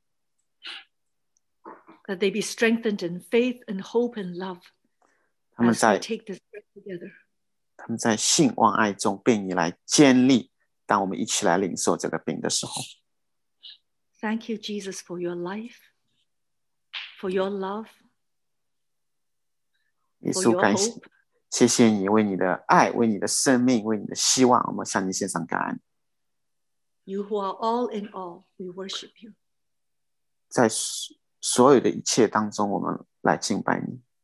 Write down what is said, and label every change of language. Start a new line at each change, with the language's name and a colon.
Chinese: 我们来纪念，来祝福在乌克兰，你的教会的肢体，同时我们也来祝福在俄国的你的信徒，你的百姓。
English: That they be strengthened in faith, in hope, and love.
Chinese: 他们在,
English: as we take this bread together.
Chinese: 他们在信望爱中被你来建立。
English: Thank you, Jesus, for your life, for your love, for your hope.
Chinese: 谢谢你为你的爱，为你的生命，为你的希望，我们向你献上感恩。
English: You who are all in all, we worship you.
Chinese: 在所有的一切当中，我们来敬拜你。